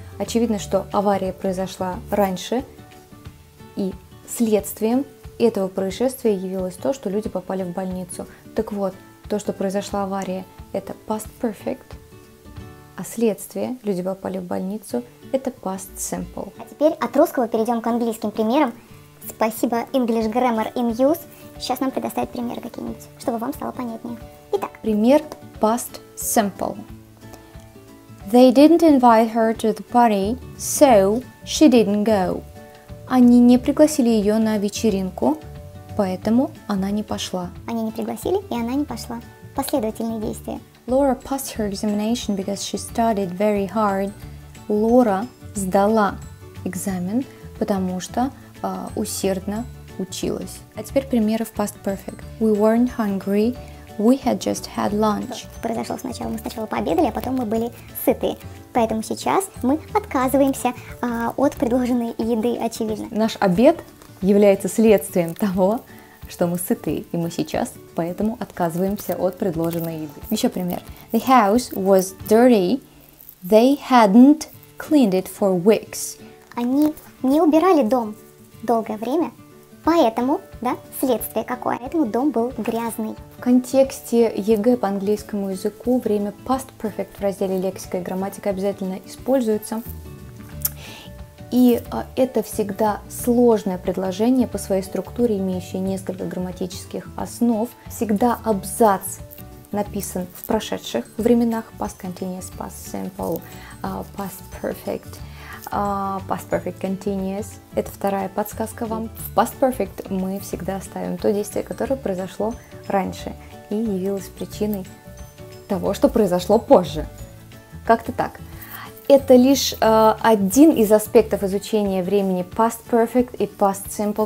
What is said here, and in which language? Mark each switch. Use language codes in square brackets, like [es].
[ru] Очевидно, что авария произошла раньше, и следствием этого происшествия явилось то, что люди попали в больницу. Так вот, то, что произошла авария, это past perfect, а следствие, люди попали в больницу, это past simple. А теперь от русского перейдем к английским примерам. Спасибо English Grammar in Use. Сейчас нам предоставят примеры какие-нибудь, чтобы вам стало понятнее. Итак. Пример [en] past simple. They didn't invite her to the party, so she didn't go. [ru] Они не пригласили ее на вечеринку, поэтому она не пошла. Они не пригласили, и она не пошла. Последовательные действия. [en] Laura passed her examination because she studied very hard. [ru] Laura сдала экзамен, потому что усердно училась. А теперь примеры в past perfect. [en] We weren't hungry. We had just had lunch. [ru] Что произошло сначала? Мы сначала пообедали, а потом мы были сыты. Поэтому сейчас мы отказываемся от предложенной еды, очевидно. Наш обед является следствием того, что мы сыты, и мы сейчас поэтому отказываемся от предложенной еды. Еще пример. [en] The house was dirty. They hadn't cleaned it for weeks. [ru] Они не убирали дом долгое время. Поэтому, да, следствие какое? Поэтому дом был грязный. В контексте ЕГЭ по английскому языку время past perfect в разделе лексика и грамматика обязательно используется. И это всегда сложное предложение по своей структуре, имеющее несколько грамматических основ. Всегда абзац написан в прошедших временах. [en] Past continuous, past simple, past perfect. Past perfect continuous. [ru] Это вторая подсказка вам. В past perfect мы всегда ставим то действие, которое произошло раньше и явилось причиной того, что произошло позже. Как-то так. Это лишь один из аспектов изучения времени past perfect и past simple.